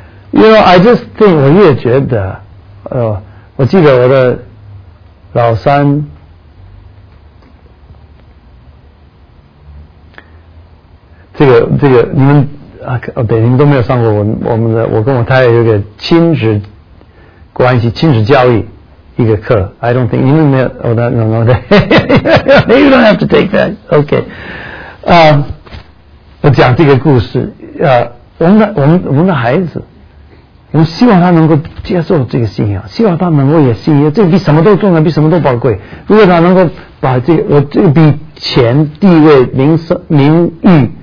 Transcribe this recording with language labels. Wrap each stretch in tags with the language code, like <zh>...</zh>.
<en>You know, I just think</en> <zh>我越觉得，我记得我的老三。这个你们啊，对，你们都没有上过我们的，我跟我太太有个亲子关系、亲子教育一个课。</zh> <en>I don't think</en> <zh>你们没有</zh> <en>，Oh, no, no, no, you don't have to take that.</en> <zh>OK， 我讲这个故事，我们的孩子，我们希望他能够接受这个信仰，希望他能够也信仰，这个比什么都重要，比什么都宝贵。如果他能够把这个，这个比钱、地位、名誉。</zh>